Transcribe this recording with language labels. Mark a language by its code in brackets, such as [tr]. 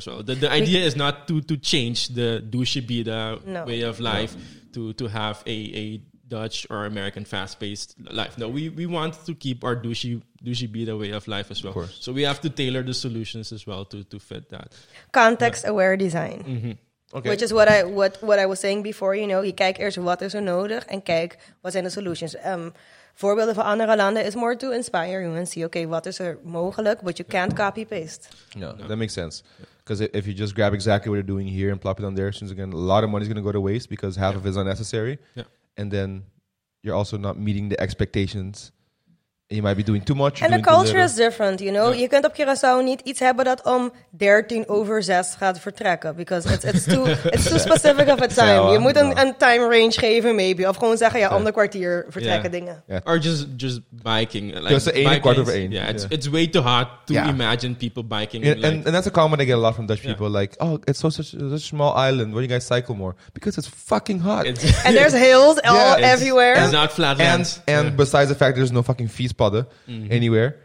[en] So the idea is not to change the douche bida way of life to have a Dutch or American fast-paced life. No, we want to keep our douche bida way of life as well. Of course. So we have to tailor the solutions as well to fit that. Context-aware design. Mm-hmm. Okay. Which is what I was saying before. [nl] You know, je kijkt eerst wat is er nodig en kijk wat zijn de solutions. Voorbeelden van andere landen is [en] more to inspire you and see, okay, what is [nl] er mogelijk, [en] but you can't copy-paste. No, that makes sense. Because if you just grab exactly what you're doing here and plop it on there, since again, a lot of money is going to go to waste because half of it is unnecessary. Yeah. And then you're also not meeting the expectations. And you might be doing too much. And the culture is different, you know. Yeah. [nl] Je kunt op Curaçao niet iets hebben dat om 6:13 gaat vertrekken. [en] Because it's too specific of a time. [nl] Je moet een time range geven, [en] maybe. [nl] Of gewoon zeggen, om de kwartier vertrekken dingen. [en] Yeah. Or just biking. Like, just 1:15. Yeah, it's way too hot to imagine people biking. And that's a comment I get a lot from Dutch people. Like, oh, it's such a small island. Why do you guys cycle more? Because it's fucking hot. And there's hills all everywhere. It's not flatlands. And besides the fact there's no fucking Fiespadde anywhere.